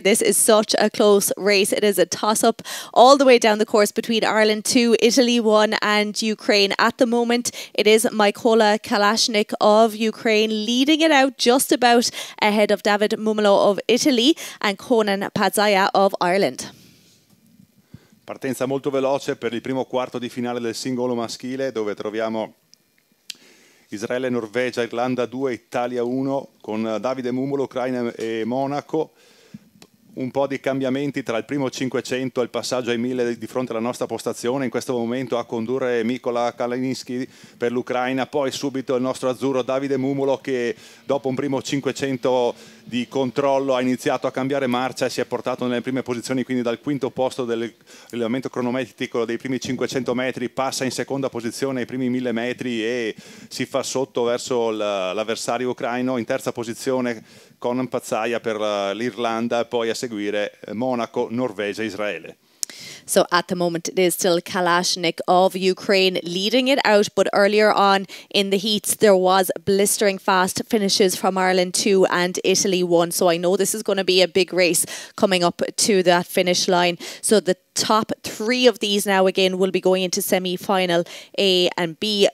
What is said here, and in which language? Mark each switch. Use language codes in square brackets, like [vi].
[en] This is such a close race. It is a toss-up all the way down the course between Ireland 2, Italy 1, and Ukraine. At the moment, it is Mykola Kalashnik of Ukraine leading it out just about ahead of David Mumolo of Italy and Conan Pazzaia of Ireland. [it] Partenza molto veloce per il primo quarto di finale del singolo maschile, dove troviamo Israele, Norvegia, Irlanda 2, Italia 1, con Davide Mumolo, Ucraina e Monaco. Un po' di cambiamenti tra il primo 500 e il passaggio ai 1000 di fronte alla nostra postazione. In questo momento a condurre Mykola Kalinichki per l'Ucraina. Poi subito il nostro azzurro Davide Mumolo, che dopo un primo 500 di controllo ha iniziato a cambiare marcia e si è portato nelle prime posizioni. Quindi dal quinto posto del rilevamento cronometrico dei primi 500 metri passa in seconda posizione ai primi 1000 metri e si fa sotto verso l'avversario ucraino. In terza posizione Conan Pazzaia per l'Irlanda, poi a seguire Monaco, Norvegia, Israele. [en] So at the moment it is still Kalashnik of Ukraine leading it out, but earlier on in the heats there was blistering fast finishes from Ireland 2 and Italy 1. So I know this is going to be a big race coming up to that finish line. So the top three of these now again will be going into semi-final A and B.